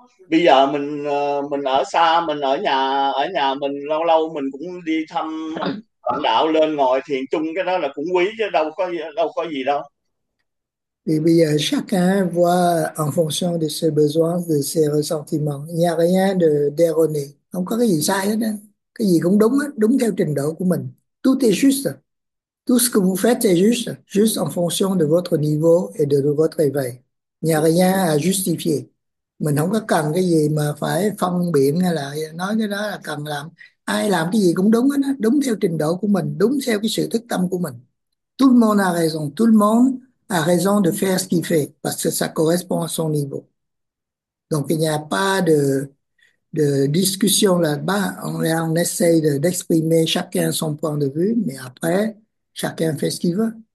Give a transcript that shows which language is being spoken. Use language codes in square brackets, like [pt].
[vi] Bây giờ mình ở xa, mình ở nhà mình lâu lâu mình cũng đi thăm bạn đạo lên ngồi thiền chung, cái đó là cũng quý chứ đâu có gì đâu. [fr] Et bien, chacun voit en fonction de ses besoins, de ses ressentiments. Il n'y a rien d'erroné. [vi] Không có cái gì sai hết. Cái gì cũng đúng, đúng theo trình độ của mình. [fr] Tout est juste. Tout ce que vous faites est juste. Juste en fonction de votre niveau et de votre éveil. Il n'y a rien à justifier. [vi] Mình không có cần cái gì mà phải phân biện hay là nói cái đó là cần làm. Ai làm cái gì cũng đúng hết. Đúng theo trình độ của mình. Đúng theo cái sự thức tâm của mình. [fr] Tout le monde a raison. Tout le monde a raison de faire ce qu'il fait, parce que ça correspond à son niveau. Donc il n'y a pas de discussion là-bas. On essaye d'exprimer chacun son point de vue, mais après, chacun fait ce qu'il veut.